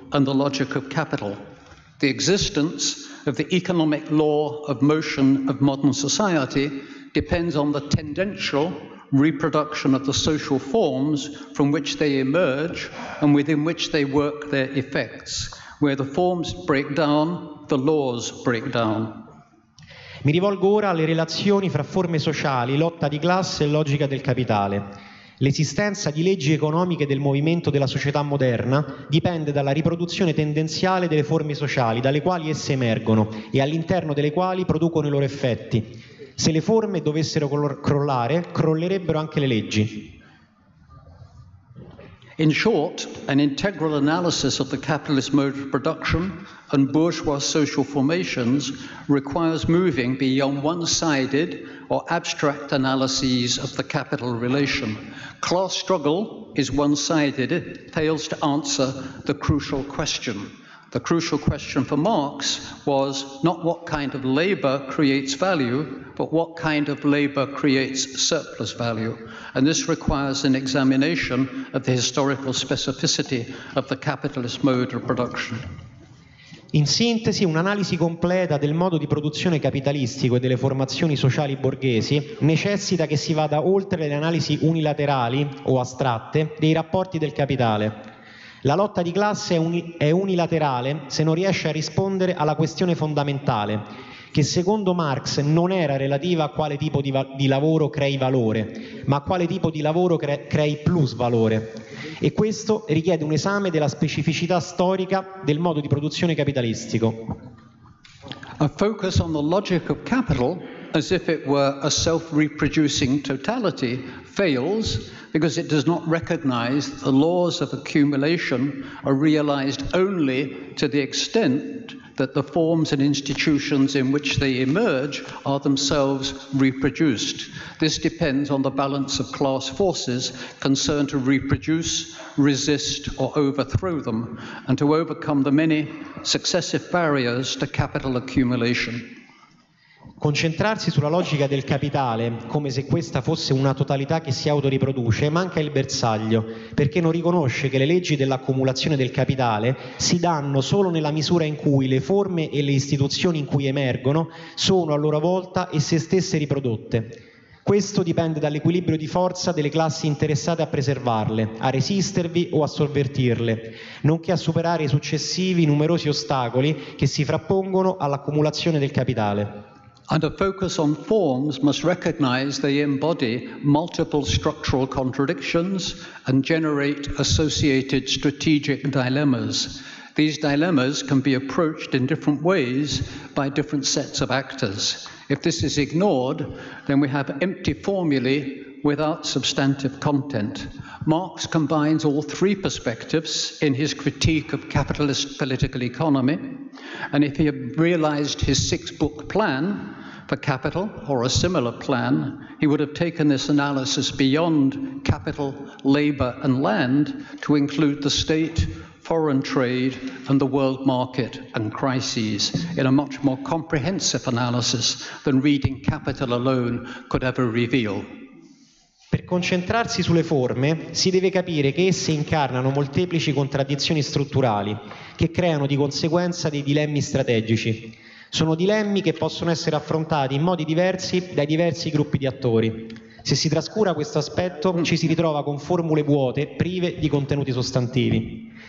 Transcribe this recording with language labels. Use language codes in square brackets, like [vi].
[en] and the logic of capital, the existence of the economic law of motion of modern society depends on the tendential reproduction of the social forms from which they emerge and within which they work their effects. Where the forms break down, the laws break down. [it] Mi rivolgo ora alle relazioni fra forme sociali, lotta di classe e logica del capitale. L'esistenza di leggi economiche del movimento della società moderna dipende dalla riproduzione tendenziale delle forme sociali dalle quali esse emergono e all'interno delle quali producono i loro effetti. Se le forme dovessero crollare, crollerebbero anche le leggi. [en] In short, an integral analysis of the capitalist mode of production and bourgeois social formations requires moving beyond one-sided or abstract analyses of the capital relation. Class struggle is one-sided, it fails to answer the crucial question. The crucial question for Marx was not what kind of labor creates value, but what kind of labor creates surplus value. And this requires an examination of the historical specificity of the capitalist mode of production. [it] In sintesi, un'analisi completa del modo di produzione capitalistico e delle formazioni sociali borghesi necessita che si vada oltre le analisi unilaterali o astratte dei rapporti del capitale. La lotta di classe è unilaterale se non riesce a rispondere alla questione fondamentale, che secondo Marx non era relativa a quale tipo di lavoro crei valore, ma a quale tipo di lavoro crei plus valore. E questo richiede un esame della specificità storica del modo di produzione capitalistico. [en] A focus on the logic of capital, as if it were a self-reproducing totality, fails because it does not recognize the laws of accumulation are realized only to the extent that the forms and institutions in which they emerge are themselves reproduced. This depends on the balance of class forces concerned to reproduce, resist, or overthrow them, and to overcome the many successive barriers to capital accumulation. [it] Concentrarsi sulla logica del capitale, come se questa fosse una totalità che si autoriproduce, manca il bersaglio, perché non riconosce che le leggi dell'accumulazione del capitale si danno solo nella misura in cui le forme e le istituzioni in cui emergono sono a loro volta esse stesse riprodotte. Questo dipende dall'equilibrio di forza delle classi interessate a preservarle, a resistervi o a sovvertirle, nonché a superare i successivi numerosi ostacoli che si frappongono all'accumulazione del capitale. [en] And a focus on forms must recognize they embody multiple structural contradictions and generate associated strategic dilemmas. These dilemmas can be approached in different ways by different sets of actors. If this is ignored, then we have empty formulae without substantive content. Marx combines all three perspectives in his critique of capitalist political economy, and if he had realized his six-book plan, for capital or a similar plan, he would have taken this analysis beyond capital, labor, and land to include the state, foreign trade, and the world market and crises in a much more comprehensive analysis than reading capital alone could ever reveal. [it] Per concentrarsi sulle forme, si deve capire che esse incarnano molteplici contraddizioni strutturali che creano di conseguenza dei dilemmi strategici. Sono dilemmi che possono essere affrontati in modi diversi dai diversi gruppi di attori. Se si trascura questo aspetto, ci si ritrova con formule vuote, prive di contenuti sostantivi.